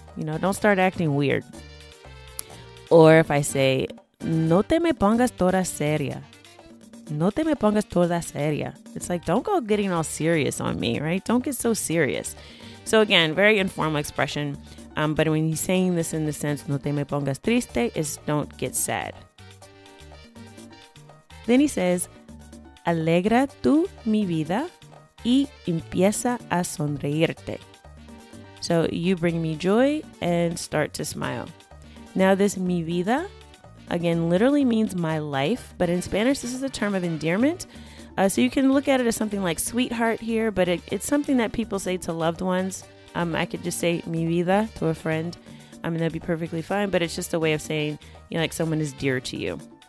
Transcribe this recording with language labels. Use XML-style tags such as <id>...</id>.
<en>You know, don't start acting weird. Or if I say,</en> <es>no te me pongas toda seria. No te me pongas toda seria.</es> <en>It's like, don't go getting all serious on me, right? Don't get so serious. So again, very informal expression. But when he's saying this in the sense,</en> <es>no te me pongas triste,</es> <en>is don't get sad. Then he says,</en> <es>alegra tú mi vida y empieza a sonreírte.</es> <en>So you bring me joy and start to smile. Now this mi vida, again, literally means my life, but in Spanish, this is a term of endearment. So you can look at it as something like sweetheart here, but it's something that people say to loved ones. I could just say mi vida to a friend. I mean, that'd be perfectly fine, but it's just a way of saying, you know, like someone is dear to you.</en>